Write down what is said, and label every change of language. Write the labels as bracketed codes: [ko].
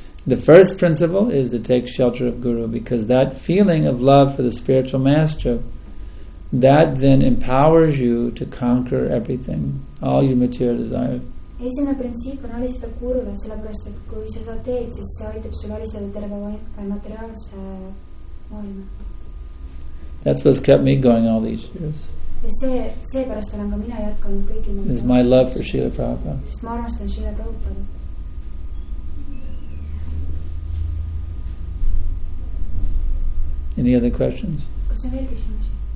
[en] The first principle is to take shelter of Guru, because that feeling of love for the spiritual master, that then empowers you to conquer everything, all your material desires. [et] Esimene printsiip on alistada gurule, sellepärast, et kui sa seda teed, siis see aitab sul alistada terve materiaalse maailma. [en] That's what's kept me going all these years. [et] Ja see pärast olen ka mina jätkanud kõiki. [en] It's my love for Srila Prabhupada. [et] Sest ma armastan Srila Prabhupada. [en] Any other questions? [et] Kas on veel küsimusi?